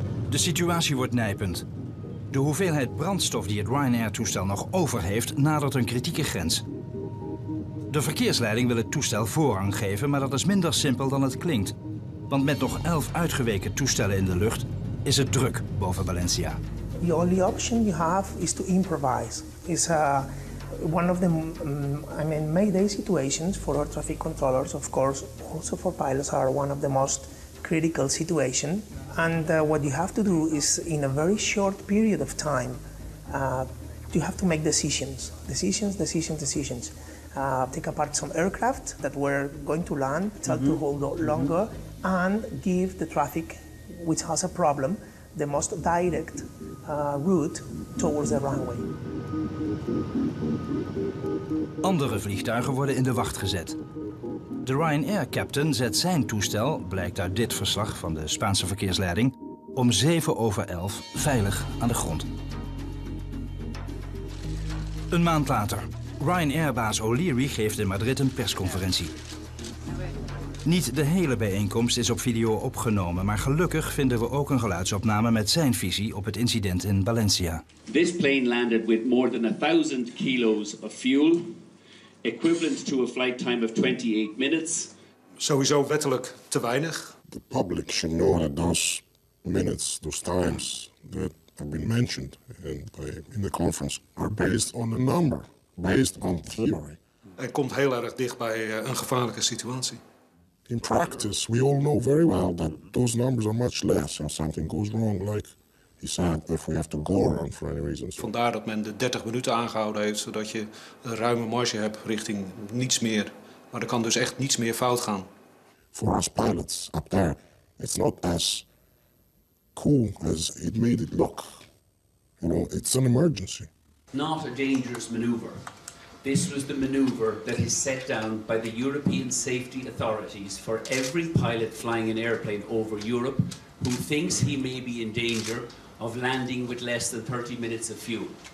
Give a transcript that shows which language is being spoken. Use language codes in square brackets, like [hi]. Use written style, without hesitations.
[nl] De situatie wordt nijpend. De hoeveelheid brandstof die het Ryanair-toestel nog over heeft, nadert een kritieke grens. De verkeersleiding wil het toestel voorrang geven, maar dat is minder simpel dan het klinkt. Want met nog 11 uitgeweken toestellen in de lucht is het druk boven Valencia. [en] The only option you have is to improvise. It's one of the mayday situations for air traffic controllers, of course, also for pilots are one of the most critical situation. And what you have to do is in a very short period of time, you have to make decisions. Take apart some aircraft that were going to land, tell to hold longer, and give the traffic, which has a problem, the most direct route towards the runway. [nl] Andere vliegtuigen worden in de wacht gezet. De Ryanair captain zet zijn toestel, blijkt uit dit verslag van de Spaanse verkeersleiding, om 10:57 veilig aan de grond. Een maand later. Ryanair-baas O'Leary geeft in Madrid een persconferentie. Niet de hele bijeenkomst is op video opgenomen, maar gelukkig vinden we ook een geluidsopname met zijn visie op het incident in Valencia. [en] This plane landed with more than 1,000 kilos of fuel, equivalent to a flight time of 28 minutes. [nl] Sowieso wettelijk te weinig. [en] The public should know that those minutes, those times that have been mentioned in the conference are based on a number. Based on theory. [nl] Hij komt heel erg dicht bij een gevaarlijke situatie. [en] In practice, we all know very well that those numbers are much less if something goes wrong, like he said, if we have to go around for any reason. [nl] Vandaar dat men de 30 minuten aangehouden heeft, zodat je een ruime marge hebt richting niets meer. Maar er kan dus echt niets meer fout gaan. [en] For us pilots up there, it's not as cool as it made it look. You know, it's an emergency. Not a dangerous maneuver. This was the maneuver that is set down by the European safety authorities for every pilot flying an airplane over Europe who thinks he may be in danger of landing with less than 30 minutes of fuel.